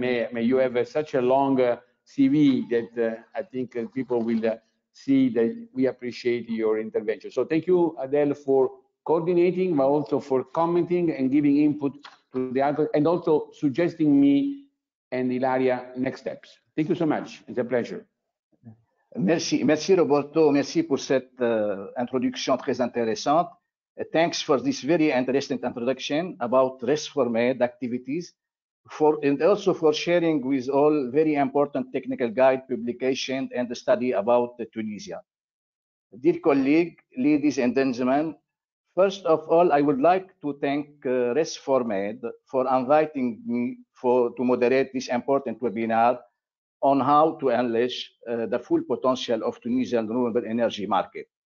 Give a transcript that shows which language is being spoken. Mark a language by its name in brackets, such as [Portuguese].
[English] May you have such a long CV that I think people will see that we appreciate your intervention. So thank you, Adel, for coordinating, but also for commenting and giving input to the other, and also suggesting me and Ilaria next steps. Thank you so much. It's a pleasure. [French] Merci Roberto, merci pour cette introduction très intéressante. [English] Thanks for this very interesting introduction about RESFORMED activities, and also for sharing with all very important technical guide publication and the study about Tunisia. Dear colleague, ladies and gentlemen, first of all, I would like to thank RESFORMED for inviting me to moderate this important webinar on how to unleash the full potential of Tunisian renewable energy market.